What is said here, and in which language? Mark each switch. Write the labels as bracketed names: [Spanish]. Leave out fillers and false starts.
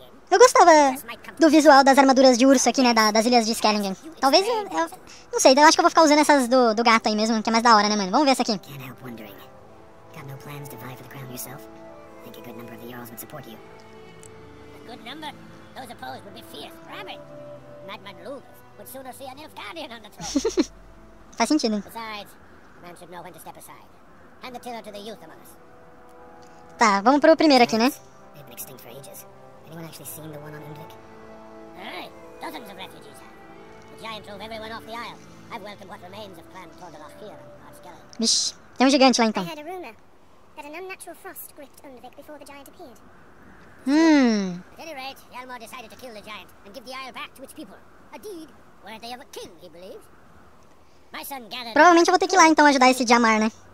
[Portuguese] Eu gostava do visual das armaduras de urso aqui, né? Das ilhas de Skellingen. Talvez eu... Não sei, eu acho que eu vou ficar usando essas do gato aí mesmo, que é mais da hora, né, mano? Vamos ver essa aqui. [English] Can't help wondering. Got no plans to vie for the crown yourself? Think a good number of the Jarls would support you. A good number? Those opposed would be fierce, rabid. Madman Lugas would sooner see an elf guardian on the throne. [Portuguese] Faz sentido. [English] Besides, man should know when to step aside. Hand the tiller to the youth among us. [Portuguese] Tá, vamos pro primeiro aqui, né? [English] They've been extinct for ages. Anyone actually seen the one on Undic? Dozens of refugees have. The giant drove everyone off the isle. I've welcomed what remains of Clan Tordaloch here on Skellig. [Portuguese] Vish, tem um gigante lá então. [English] I heard a rumor that an unnatural frost gripped Undic before the giant appeared. At any rate, Yalmar decided to kill the giant and give the isle back to its people. A deed worthy of a king, he believed. [Portuguese] Provavelmente eu vou ter que ir lá então ajudar esse Jamar, né?